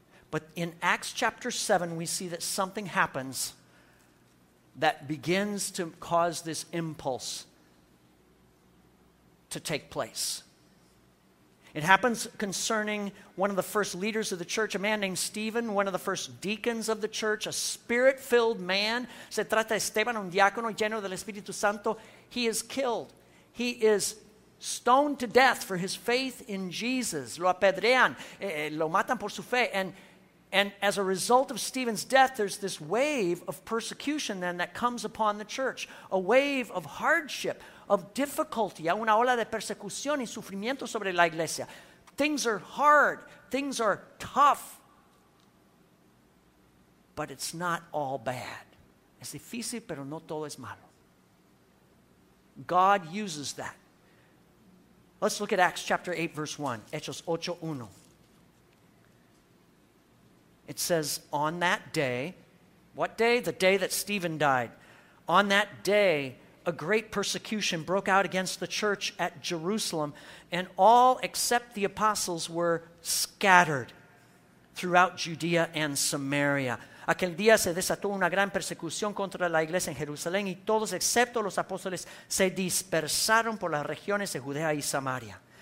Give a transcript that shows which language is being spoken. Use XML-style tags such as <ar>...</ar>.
<en>But in Acts chapter 7, we see that something happens that begins to cause this impulse to take place. It happens concerning one of the first leaders of the church, a man named Stephen, one of the first deacons of the church, a spirit-filled man.</en> <es>Se trata de Esteban, un diácono lleno del Espíritu Santo.</es> <en>He is killed. He is stoned to death for his faith in Jesus.</en> <es>Lo apedrean, lo matan por su fe.</es> <en>And as a result of Stephen's death, there's this wave of persecution then that comes upon the church, a wave of hardship, of difficulty,</en> <es>a una ola de persecución y sufrimiento sobre la iglesia.</es> <en>Things are hard. Things are tough. But it's not all bad.</en> <es>Es difícil, pero no todo es malo.</es> <en>God uses that. Let's look at Acts chapter 8, verse 1. Hechos 8, 1. It says, on that day, what day? The day that Stephen died. On that day, a great persecution broke out against the church at Jerusalem, and all except the apostles were scattered throughout Judea and Samaria.</en> <es>Aquel día se desató una gran persecución contra la iglesia en Jerusalén, y todos excepto los apóstoles se dispersaron por las regiones de Judea y Samaria.</es>